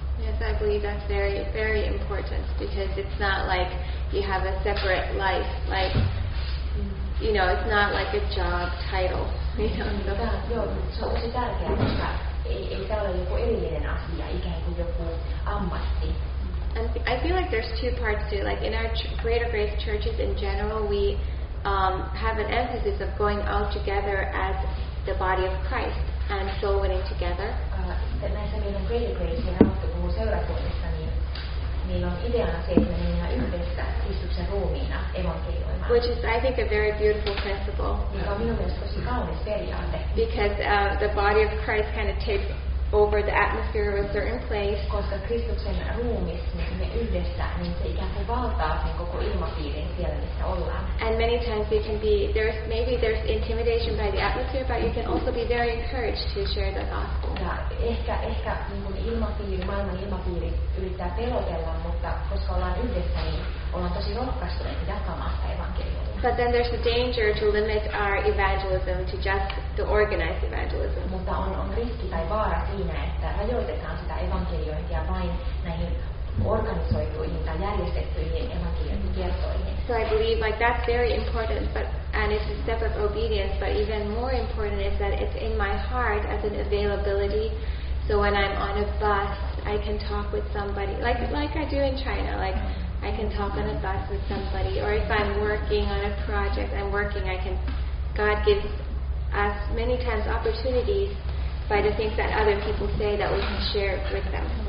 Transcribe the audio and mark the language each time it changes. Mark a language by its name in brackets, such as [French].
[English] Yes, I believe that's very, very important, because it's not like you have a separate life, like, you know, it's not like a job title. [Finnish] Joo, se on tärkeää, koska ei tämä ole joku erillinen asia, ikään kuin joku ammatti. [English] And I feel like there's two parts to it. Like in our Greater Grace churches in general, we have an emphasis of going out together as the body of Christ and soul winning together. [Finnish] Näissä meidän Greater Grace ja Raamattukoulun seurakunnissa, niin on ideana se, että me mennään yhdessä Kristuksen ruumiina evankelioimaan. [English] Which is, I think, a very beautiful principle. [Finnish] Mikä on minun mielestä tosi kaunis periaate. [English] because the body of Christ kind of takes over the atmosphere of a certain place. [Finnish] Koska Kristuksen ruumis, me yhdessä, niin se ikään kuin valtaa sen koko ilmapiirin siellä, missä ollaan. [English] And many times it can be, there's maybe there's intimidation by the atmosphere, but you can also be very encouraged to share the gospel. [Finnish] Ja ehkä niin kuin ilmapiiri, maailman ilmapiiri yrittää pelotella, mutta koska ollaan yhdessä, niin ollaan tosi rohkaistuneet jakamaan sitä evankeliumia. [English] But then there's a danger to limit our evangelism to just the organized evangelism. [Finnish] Mutta on riski tai vaara siinä, että rajoitetaan sitä evankeliointia vain näihin organisoituihin tai järjestettyihin evankeliointikertoihin. [English] So I believe like that's very important, but and it's a step of obedience, but even more important is that it's in my heart as an availability. So when I'm on a bus, I can talk with somebody like I do in China, like I can talk on a bus with somebody, or if I'm working on a project, God gives us many times opportunities by the things that other people say that we can share with them.